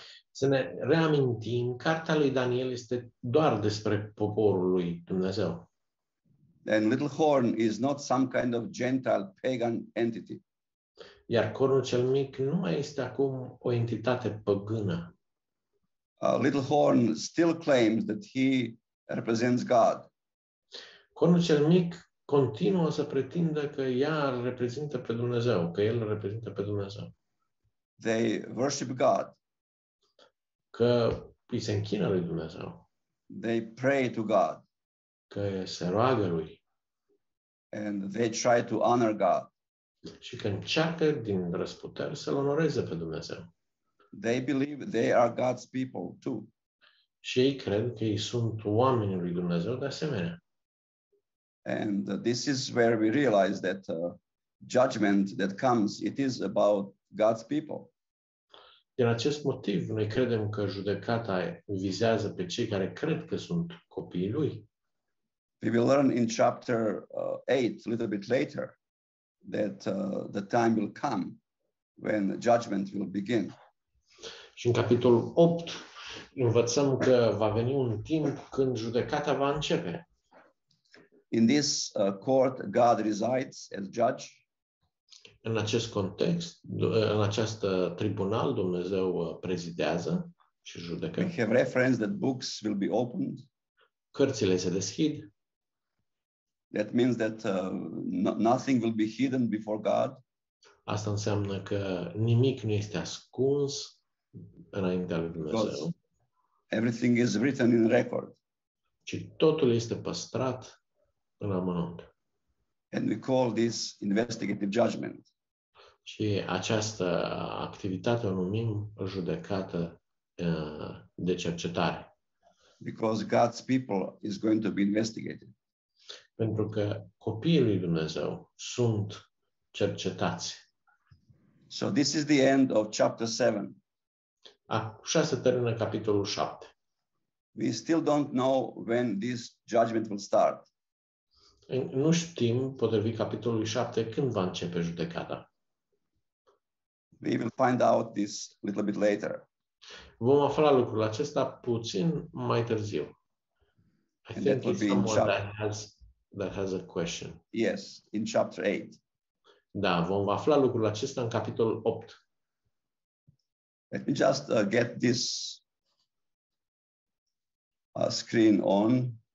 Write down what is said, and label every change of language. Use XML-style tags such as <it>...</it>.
<ro>Să ne reamintim, cartea lui Daniel este doar despre poporul lui Dumnezeu.</ro> <en>And little horn is not some kind of gentile pagan entity.</en> <ro>Iar cornul cel mic nu mai este acum o entitate păgână.</ro> <en>Little horn still claims that he represents God.</en> <ro>Cornul cel mic continuă să pretindă că ea reprezintă pe Dumnezeu, că el reprezintă pe Dumnezeu.</ro> <en>They worship God.</en> <ro>Că îi se închină lui Dumnezeu.</ro> <en>They pray to God.</en> <ro>Că se roagă lui.</ro> <en>And they try to honor God.</en> <ro>Și că încearcă din răsputeri să-L onoreze pe Dumnezeu.</ro> <en>They believe they are God's people too.</en> <ro>Și ei cred că ei sunt oamenii lui Dumnezeu de asemenea.</ro> <en>And this is where we realize that judgment that comes, it is about God's people.</en> <ro>Din acest motiv, noi credem că judecata vizează pe cei care cred că sunt copiii lui.</ro> <en>We will learn in chapter 8, a little bit later, that the time will come when judgment will begin.</en> <ro>Și în capitolul 8, învățăm că va veni un timp când judecata va începe.</ro> <en>In this court, God resides as judge.</en> <ro>În acest context, în acest tribunal, Dumnezeu prezidează și judecă.</ro> <en>We have reference that books will be opened.</en> <ro>Cărțile se deschid.</ro> <en>That means that nothing will be hidden before God.</en> <ro>Asta înseamnă că nimic nu este ascuns înaintea lui Dumnezeu.</ro> <en>Because everything is written in record.</en> <ro>Ci totul este păstrat în amănunt.</ro> <en>And we call this investigative judgment.</en> <ro>Și această activitate o numim judecată de cercetare.</ro> <en>Because God's people is going to be investigated.</en> <ro>Pentru că copiii lui Dumnezeu sunt cercetați.</ro> <en>So this is the end of chapter 7.</en> <ro>Așa se termină capitolul 7.</ro> <en>We still don't know when this judgment will start.</en> <ro>Nu știm, potrivit capitolului 7, când va începe judecata.</ro> <en>We will find out this a little bit later.</en> <ro>Vom afla lucrul acesta puțin mai târziu.</ro> <en>I and think that someone chapter... that has a question. Yes, in chapter 8.</en> <ro>Da, vom afla lucrul acesta în capitolul 8.</ro> <en>Let me just get this screen on.</en>